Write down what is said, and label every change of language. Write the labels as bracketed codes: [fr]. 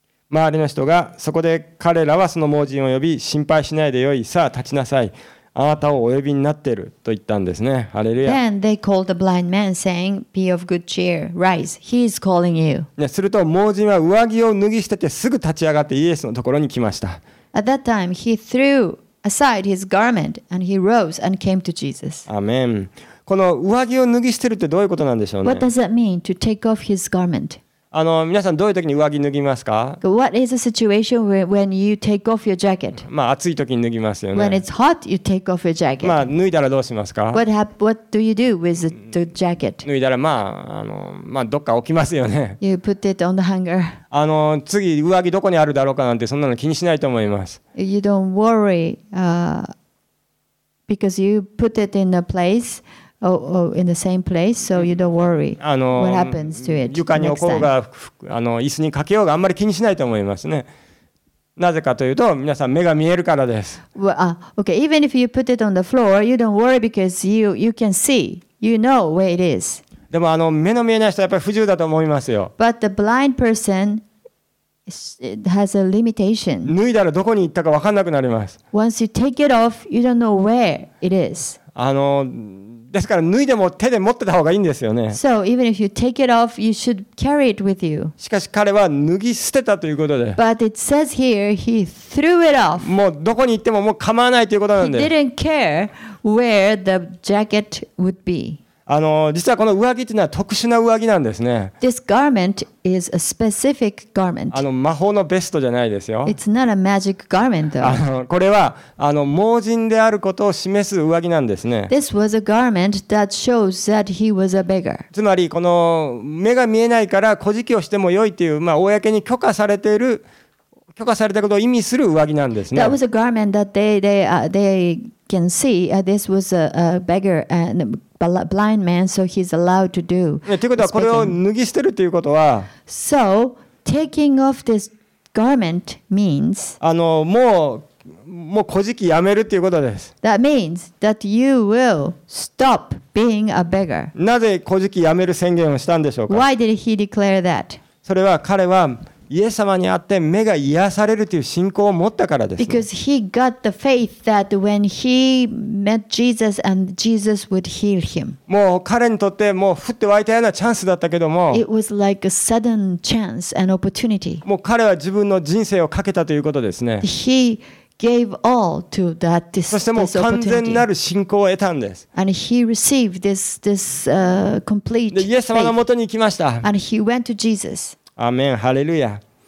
[ja] 周りの人がそこで彼らはその盲人を呼び心配しないでよいさあ立ちなさいあなたをお呼びになっていると言ったんですねハレルヤ [en] Then they called the blind man saying be of good cheer rise he is calling you、 [ja] ね、すると盲人は上着を脱ぎ捨ててすぐ立ち上がってイエスのところに来ました [en] At that time he threw aside his garment and he rose and came to Jesus [ja] アメンこの上着を脱ぎ捨てるってどういうことなんでしょうね [en] What does that mean to take off his garment? [ja] 皆さんどういう時に上着脱ぎますか [en] What is the situation when you take off your jacket? [ja] まあ暑い時に脱ぎますよね。 [en] When it's hot, you take off your jacket. [ja] まあ脱いだらどうしますか [en] What do you do with the jacket? [ja] 脱いだらまあ、どっか置きますよね。 [en] You put it on the hanger. [ja] 次上着どこにあるだろうかなんてそんなの気にしないと思います。 [en] You don't worry, because you put it in a place. In the same place, so you don't worry. What happens to it? [ja] 床に置こうが、椅子にかけようがあんまり気にしないと思いますね。なぜかというと、皆さん目が見えるからです。 [en] Okay. Even if you put it on the floor, you don't worry because you can see. You know where it is. [ja] でも目の見えない人はやっぱり不自由だと思いますよ。 [en] But the blind person has a limitation. [ja] 脱いだらどこに行ったか分かんなくなります。 [en] Once you take it off, you don't know where it is. [ja] ですから脱いでも手で持ってた方がいいんですよね。 [en] So even if you take it off, you should carry it with you. [ja] しかし彼は脱ぎ捨てたということで。 [en] But it says here he threw it off. [ja] もうどこに行ってももう構わないということなんで。 [en] He didn't care where the jacket would be. [ja] 実はこの上着というのは特殊な上着なんですね。 [en] This garment is a specific garment. [ja] 魔法のベストじゃないですよ。 [en] It's not a magic garment, though. [ja] これは盲人であることを示す上着なんですね。 [en] This was a garment that shows that he was a beggar. [ja] つまりこの目が見えないから乞食をしても良いという、公に許可されている許可されたことを意味する上着なんですね。 [en] That was a garment that they can see. This was a beggar and blind man, so he's allowed to do. [ja] ということはこれを脱ぎ捨てるということは、 [en] So taking off this garment means [ja] もう乞食やめるということです。 [en] That means that you will stop being a beggar. [ja] なぜ乞食やめる宣言をしたんでしょうか。 [en] Why did he declare that? [ja] それは彼はイエス様に会って目が癒されるという信仰を持ったからです、ね。 [en] Because he got the faith that when he met Jesus and Jesus would heal him. [ja] もう彼にとってもう降って湧いたようなチャンスだったけども。 [en] It was like a sudden chance and opportunity. [ja] もう彼は自分の人生をかけたということですね。 [en] He gave all to that this opportunity. [ja] そしてもう完全なる信仰を得たんです。 [en] And he received this complete faith. [ja] イエス様の元に行きました。 [en] And he went to Jesus. [ja] アメン、ハレルヤ。